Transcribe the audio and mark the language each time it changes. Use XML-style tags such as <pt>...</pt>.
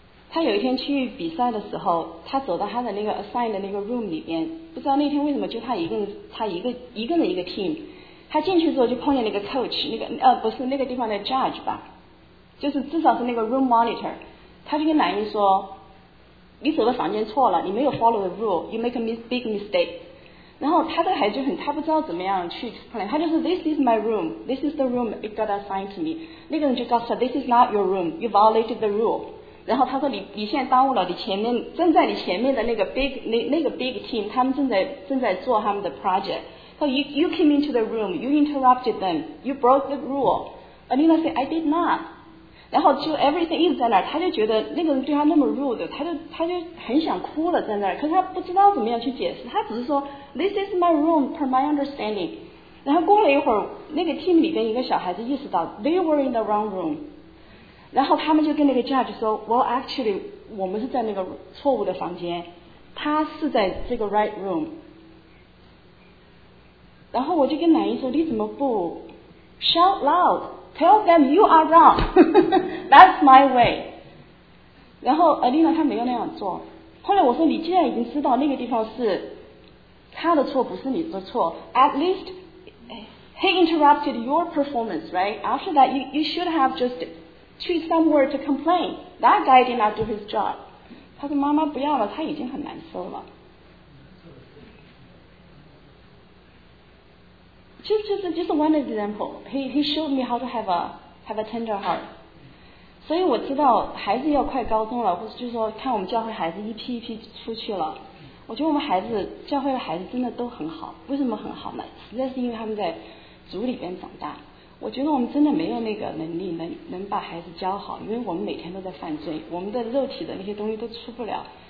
<zh>他有一天去比赛的时候，他走到他的那个 assigned 的那个 room 里边，不知道那天为什么就他一个人，他一个人一个 team。他进去之后就碰见那个 coach， 那个地方的 judge 吧，就是至少是那个 room monitor。他就跟男人说：“你走的房间错了，你没有</zh> <en>follow the rule， you make a big mistake。”</en> <zh>然后他的孩子就很，他不知道怎么样去 explain， 他就说</zh> <en>This is my room， This is the room it got assigned to me。</en> <zh>那个人就告诉他</zh> <en>This is not your room， You violated the rule。</en> <zh>然后他说你现在耽误了你前面正在你前面的那个 big 那个 big team， 他们正在做他们的 project。</zh> <en>So you came into the room， You interrupted them， You broke the rule。 Alina said I did not。</en> <zh>然后就 everything 一直在那儿，他就觉得那个人对他那么 rude， 他就很想哭了在那儿，可是他不知道怎么样去解释，他只是说</zh> <en>This is my room, per my understanding。</en> <zh>然后过了一会儿，那个 team 里边一个小孩子意识到</zh> <en>They were in the wrong room。</en> <zh>然后他们就跟那个 judge 说</zh> <en>Well actually</en> <zh>我们是在那个错误的房间，他是在这个 right room。然后我就跟男人说你怎么不</zh> <en>Shout loud, tell them you are wrong。 That's my way。</en> <zh>然后 Alina 她没有那样做。后来我说你既然已经知道那个地方是他的错不是你的错，</zh> <en>At least he interrupted your performance, right? After that you should have just tweet somewhere to complain. That guy did not do his job.</en> <zh>他说妈妈不要了，他已经很难受了。</zh> <en>Just one example. He showed me how to have a tender heart.</en> <zh>所以我知道孩子要快高中了，或者就是说看我们教会孩子一批一批出去了。我觉得我们孩子教会的孩子真的都很好，为什么很好呢？实在是因为他们在主里边长大。我觉得我们真的没有那个能力能把孩子教好，因为我们每天都在犯罪，我们的肉体的那些东西都出不了。</zh>